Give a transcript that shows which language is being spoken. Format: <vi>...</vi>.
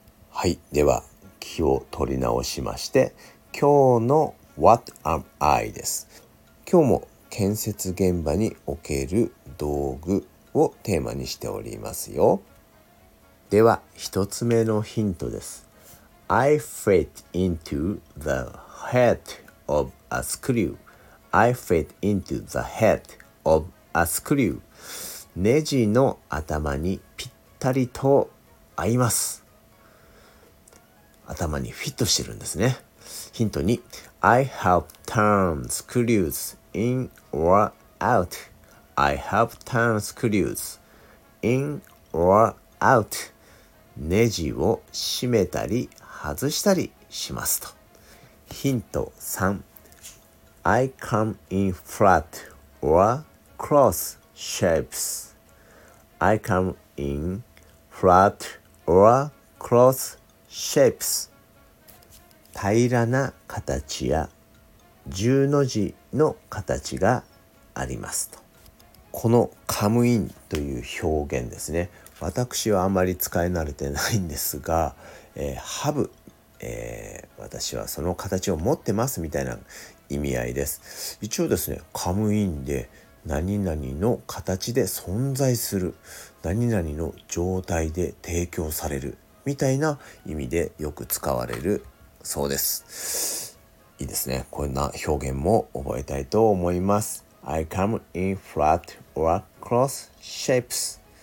<ja>はい、では気を取り直しまして、今日の What am I です。今日も建設現場における道具をテーマにしておりますよ。では1つ目のヒントです。</ja> <en>I fit into the head of a screw. I fit into the head of a screw.</en> <ja>ネジの頭にぴったりと合います。頭にフィットしてるんですね。ヒント2。</ja> <en>I have turned screws in or out. I have turned screws in or out.</en> <ja>ネジを締めたり外したりしますと。ヒント3。</ja> <en>I come in flat or cross shapes. I come in flat or cross shapes.</en> <ja>平らな形や十の字の形がありますと。このカムインという表現ですね、私はあまり使い慣れてないんですが、ハブ、私はその形を持ってますみたいな意味合いです。一応ですね、カムインで何々の形で存在する、何々の状態で提供されるみたいな意味でよく使われるそうです。いいですね。こんな表現も覚えたいと思います。</ja> <en>I come in flat or cross shapes.</en>